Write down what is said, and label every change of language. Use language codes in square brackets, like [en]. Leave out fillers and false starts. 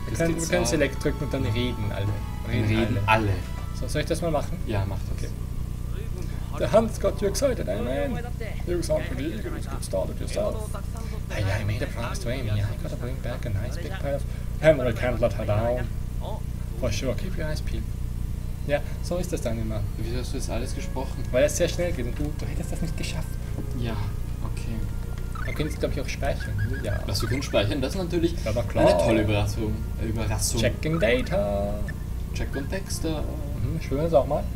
[de] Wir können select drücken und dann reden alle. Reden alle. So, soll ich das mal machen? Ja, mach das. Okay. [en] The hunt's got you excited, I mean. You sound pretty eager. Let's get started yourself. Hey, I made a promise to Amy. I gotta bring back a nice big pair of Henry Candler to down. For sure, keep your eyes peeled. [de] Ja, so ist das dann immer. Wieso hast du das alles gesprochen? Weil es sehr schnell geht und du hättest das nicht geschafft. Ja, okay. Man könnte es, glaube ich, auch speichern. Ja. Was, wir können speichern? Das ist natürlich eine tolle Überraschung. [en] Checking Data. Check und Dexter. [de] Spielen wir das auch mal?